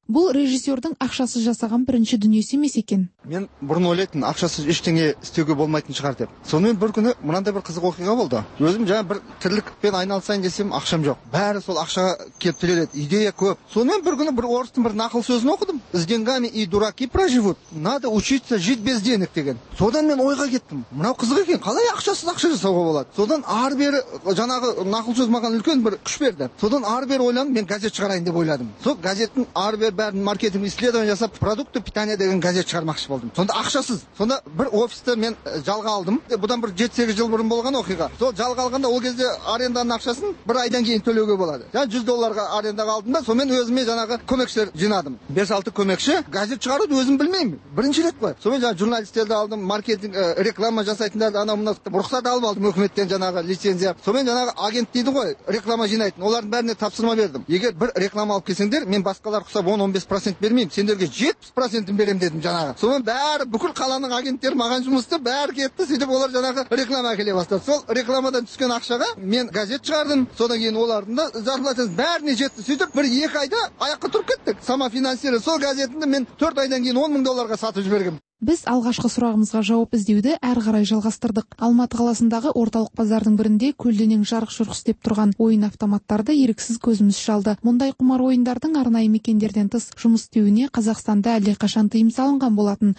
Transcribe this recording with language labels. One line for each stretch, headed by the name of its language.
Kazakh: Бұл режиссердің ақшасыз жасаған бірінші дүниесі емес екен. Мен бұрын ойлайтын, ақшасыз іштеңе істеуге болмайтын шығар деп. Сонымен бір күні мынандай бір қызық оқиға болды. Өзім жаңа бір тірлікпен айналысайын десем, ақшам жоқ. Бәрі сол ақшаға келіп тіреледі. Идея көп. Сонымен бір күні бір орыстың бір нақыл сөзін оқыдым.
Russian: С деньгами и дураки проживут. Надо учиться жить без денег
Kazakh: деген. Содан мен ойға кеттім. Мынау қызық екен. Қалай ақшасыз ақша жасауға болады? Содан ары бері жаңағы нақыл сөз маған үлкен бір күш берді. Содан ары бері ойланып, мен газет шығарайын деп ойладым. Сол газеттің ары бері бәрін
Russian: маркетинг исследование
Kazakh: жасап,
Russian: продукты питания
Kazakh: деген газет шығармақшы болдым. Сонда ақшасыз. Сонда бір офисті мен жалға алдым. Бұдан бір 7-8 жыл бұрын болған оқиға. Сол жалға алғанда ол кезде аренданың ақшасын бір айдан кейін төлеуге болады. Жаңа $100 арендаға алдым да, сонымен өзіме жаңағы көмекшілер жинадым. 5-6 көмекші. Газет шығаруды өзім білмеймін. Бірінші рет қой. Сонымен жаңа журналистерді алдым, маркетинг, реклама жасайтындарды анау-мынау рұқсат алып алдым үкіметтен жаңағы лицензия. Сонымен жаңағы агент дейді ғой, реклама жинайтын. Олардың бәріне тапсырма бердім. Егер бір реклама алып келсеңдер, мен басқалар құсап 10
Kyrgyz: 10-15% бермейм, сендерге 70% берем дедим жанагы. Сонун баары бүкүл калаанын агенттери маган жумушту баары кетти, сөйтип алар жанагы реклама келе баштады. Сол рекламадан түшкөн акчага мен газет чыгардым. Содан кийин алардын да зарплатасы баарына жетти. Сөйтип 1-2 айда аякка туруп кеттик. Самофинансирование сол газетинди мен 4 айдан кийин 10 000 долларга сатып жибергем.
Kazakh: Біз алғашқы сұрағымызға жауап іздеуді әр қарай жалғастырдық. Алматы қаласындағы орталық базардың бірінде көлденең жарық-шұрық істеп тұрған ойын автоматтарды еріксіз көзіміз шалды. Мұндай құмар ойындардың арнайы мекендерден тыс жұмыс істеуіне Қазақстанда әлдеқашан тыйым салынған болатын.